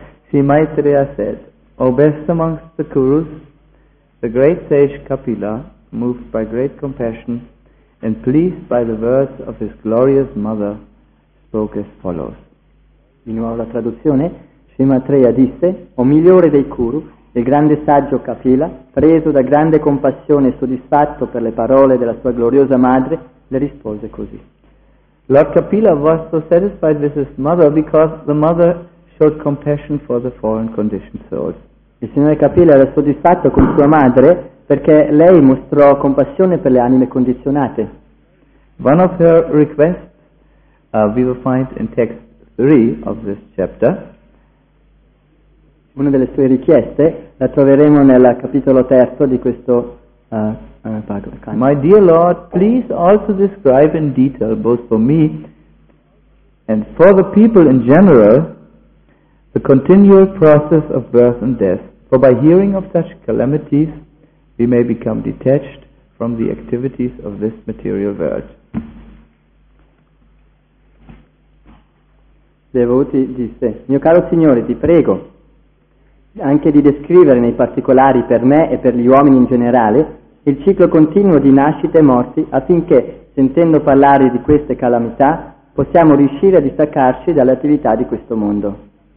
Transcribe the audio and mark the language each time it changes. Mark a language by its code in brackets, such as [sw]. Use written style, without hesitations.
[en] Sri Maitreya said, O best amongst the Kurus, the great sage Kapila, moved by great compassion and pleased by the words of his glorious mother, spoke as follows. [it] Di nuovo la traduzione. Sri Maitreya disse, O migliore dei Kuru, il grande saggio Kapila, preso da grande compassione e soddisfatto per le parole della sua gloriosa madre, le rispose così. [en] Lord Kapila was so satisfied with his mother because the mother showed compassion for the fallen conditioned souls. [it] Il signore Kapila era soddisfatto con sua madre perché lei mostrò compassione per le anime condizionate. [en] One of her requests, we will find in text 3 of this chapter. [it] Una delle sue richieste la troveremo nel capitolo terzo di questo paragrafo. [en] My dear Lord, please also describe in detail, both for me and for the people in general, the continual process of birth and death. For by hearing of such calamities, we may become detached from the activities of this material world. [it] Devoti disse, mio caro Signore, ti prego anche di descrivere nei particolari per me e per gli uomini in generale il ciclo continuo di nascite e morti affinché, sentendo parlare di queste calamità, possiamo riuscire a distaccarci dalle attività di questo mondo.